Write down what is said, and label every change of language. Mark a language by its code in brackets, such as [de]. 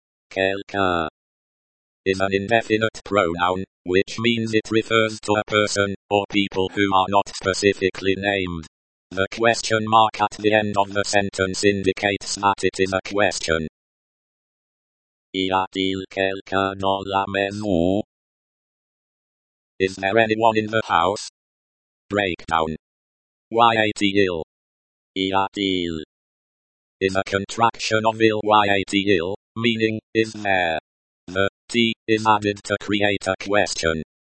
[en] Quelqu'un is an indefinite pronoun, which means it refers to a person or people who are not specifically named. The question mark at the end of the sentence indicates that it is a question. [fr] Y a-t-il quelqu'un dans la maison? [en] Is there anyone in the house? Breakdown. [fr] Y a-t-il? [en] Y a-t-il is a contraction of [fr] il y a-t-il, [en] meaning, is there? The t is added to create a question.